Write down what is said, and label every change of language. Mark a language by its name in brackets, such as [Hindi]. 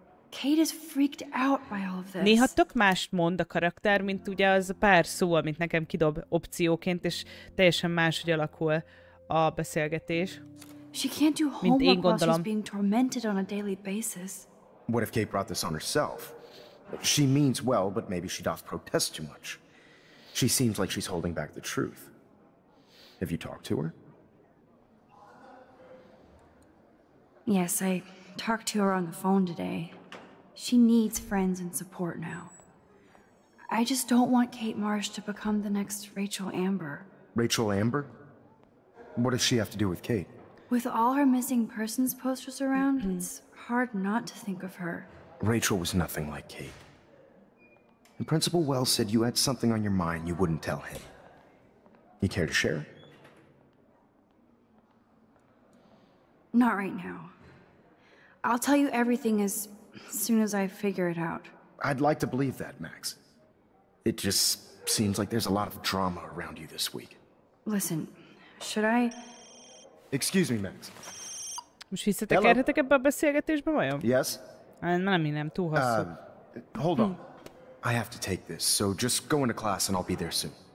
[English] Kate is freaked out by all of this. [Hungarian] Néha tök mást mond a karakter, mint ugye az a pár szó, amit nekem kidob opcióként, és teljesen máshogy alakul a beszélgetés. [English] She can't do homework while she's being tormented on a daily basis. What if Kate brought this on herself? She means well, but maybe she doth protest too much. She seems like she's holding back the truth. Have you talked to her? Yes, I talked to her on the phone today. She needs friends and support now. I just don't want Kate Marsh to become the next Rachel Amber. Rachel Amber? What does she have to do with Kate? With all her missing persons posters around, it's hard not to think of her. Rachel was nothing like Kate. And Principal Wells said you had something on your mind you wouldn't tell him. You care to share? Not right now. I'll tell you everything as soon as I figure it out. I'd like to believe that, Max. It just seems like there's a lot of drama around you this week. Listen, should I... Excuse me, Max. [Hungarian] Most visszatekerhetek ebbe a beszélgetésbe, vajon? [English] Yes? [Hungarian] Nem, nem, túl hosszú. [English] Hold on. I have to take this, so just go into class and I'll be there soon.